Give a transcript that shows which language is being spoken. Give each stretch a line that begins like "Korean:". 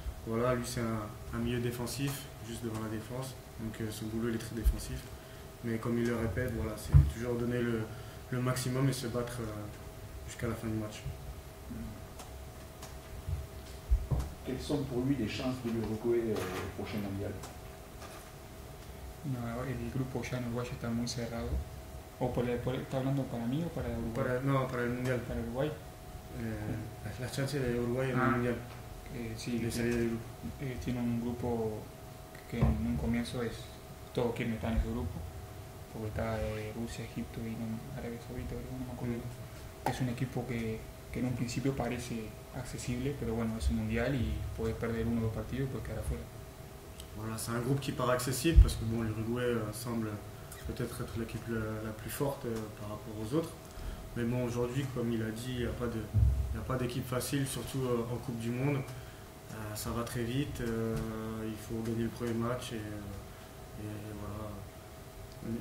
French: Voilà, lui, c'est un milieu défensif, juste devant la défense. Donc, son boulot, il est très défensif. Mais comme il le répète, voilà, c'est toujours donner le maximum et se battre jusqu'à la fin du match. Quelles sont pour lui les chances de l'Uruguay au prochain mondial?
Spanish: No, el grupo ya en Uruguay está muy cerrado. ¿O por está hablando para mí o para Uruguay? Para el Mundial. ¿Para Uruguay? La chance de Uruguay en el Mundial. Sí, de salir del grupo. Tiene un grupo que en un comienzo es todo quien está en ese grupo. Porque está Rusia, Egipto y Arabia Saudita, no me acuerdo. Es un equipo que en un principio parece accesible, pero bueno, es un Mundial y puedes perder uno o dos partidos y puedes quedar afuera.
French: Voilà, c'est un groupe qui paraît accessible parce que bon, l'Uruguay semble peut-être être l'équipe la plus forte par rapport aux autres. Mais bon, aujourd'hui, comme il a dit, il n'y a pas d'équipe facile, surtout en Coupe du Monde. Ça va très vite, il faut gagner le premier match et voilà.